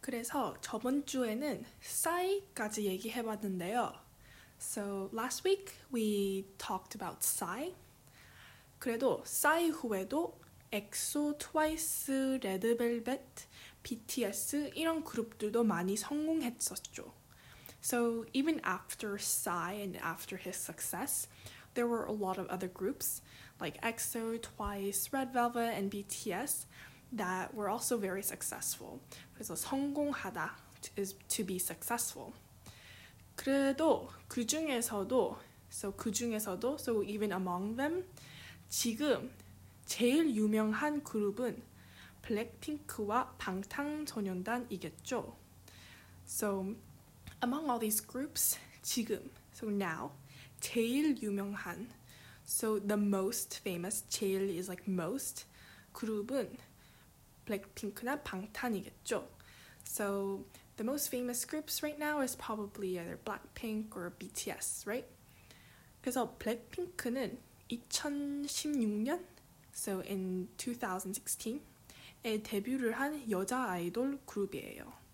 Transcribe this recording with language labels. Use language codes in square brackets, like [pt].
[ko] 그래서 저번 주에는 싸이까지 얘기해 봤는데요. [en] So last week we talked about 싸이. [ko] 그래도 싸이 후에도 엑소, 트와이스, 레드벨벳, BTS 이런 그룹들도 많이 성공했었죠. [en] So even after Psy and after his success, there were a lot of other groups like EXO, TWICE, Red Velvet, and BTS that were also very successful. [ko] 그래서 성공하다 [en] is to be successful. [ko] 그래도 그 중에서도 [en] so even among them, [ko] 지금 제일 유명한 그룹은 블랙핑크와 방탄소년단이겠죠. [en] So, among all these groups, [ko] 지금, [en] so now, [ko] 제일 유명한, [en] so the most famous, 제일 is like most, [ko] 그룹은 블랙핑크나 방탄이겠죠. [en] So, the most famous groups right now is probably either Blackpink or BTS, right? [ko] 그래서 블랙핑크는 2016년, [en] so in 2016 [ko] 에 데뷔를 한 여자 아이돌 그룹이에요.